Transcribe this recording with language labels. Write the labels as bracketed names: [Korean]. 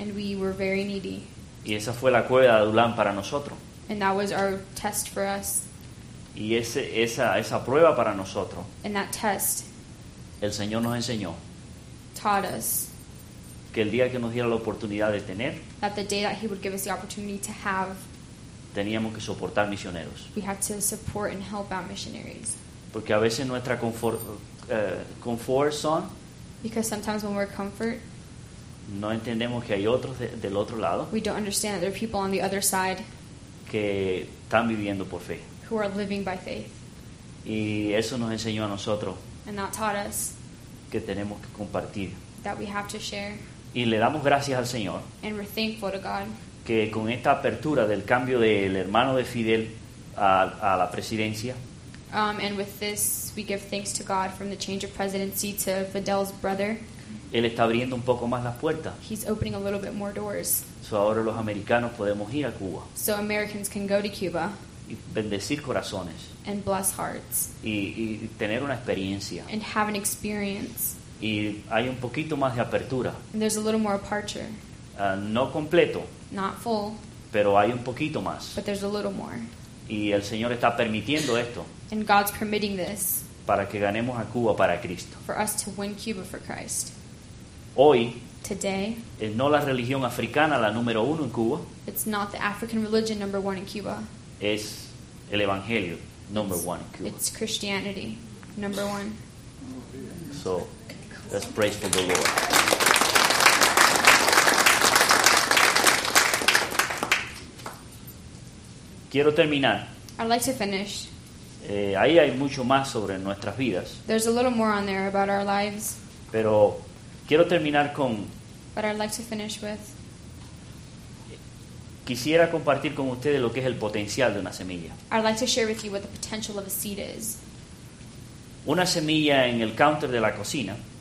[English] And we were very needy. [Spanish] Y esa fue la cueva de Adulam para nosotros. [English] And that was our test for us. [Spanish] Y esa prueba para nosotros. [English] And that test. [Spanish] El Señor nos enseñó. [English] Taught us. [Spanish] Que el día que nos diera la oportunidad de tener, [English] that the day that he would give us the opportunity to have, [Spanish] teníamos que soportar misioneros. [English] We have to support and help out missionaries. [Spanish] Porque a veces nuestra comfort zone, [English] because sometimes when we're comfort, [Spanish] no entendemos que hay otros del otro lado, [English] we don't understand that there are people on the other side, [Spanish] que están viviendo por fe, [English] who are living by faith. [Spanish] Y eso nos enseñó a nosotros, [English] and that taught us, [Spanish] que tenemos que compartir, [English] that we have to share. [Spanish] Y le damos gracias al Señor. [English] And we're thankful to God. [Spanish] Que con esta apertura del cambio del hermano de Fidel a la presidencia. [English] And with this, we give thanks to God from the change of presidency to Fidel's brother. [Spanish] Él está abriendo un poco más las puertas. [English] He's opening a little bit more doors. [Spanish] So ahora los americanos podemos ir a Cuba. [English] So Americans can go to Cuba. [Spanish] Y bendecir corazones. [English] And bless hearts. [Spanish] Y tener una experiencia. [English] And have an experience. [Spanish] Y hay un poquito más de apertura. [English] And there's a little more aperture. [Spanish] No completo. [English] Not full. [Spanish] Pero hay un poquito más. [English] But there's a little more. [Spanish] Y el Señor está permitiendo esto. [English] And God's permitting this. [Spanish] Para que ganemos a Cuba para Cristo. [English] For us to win Cuba for Christ. [Spanish] Hoy. [English] Today. [Spanish] Es no la religión africana la número uno en Cuba. [English] It's not the African religion number one in Cuba. [Spanish] Es el evangelio [English] number one in Cuba. It's Christianity number one. So. Let's praise for the Lord. [Spanish] Quiero terminar. [English] I'd like to finish. [Spanish] Ahí hay mucho más sobre nuestras vidas. [English] There's a little more on there about our lives. [Spanish] Pero quiero terminar con. [English] But I'd like to finish with. [Spanish] Quisiera compartir con ustedes lo que es el potencial de una semilla. [English] I'd like to share with you what the potential of a seed is. [Spanish] Una semilla en el counter de la cocina.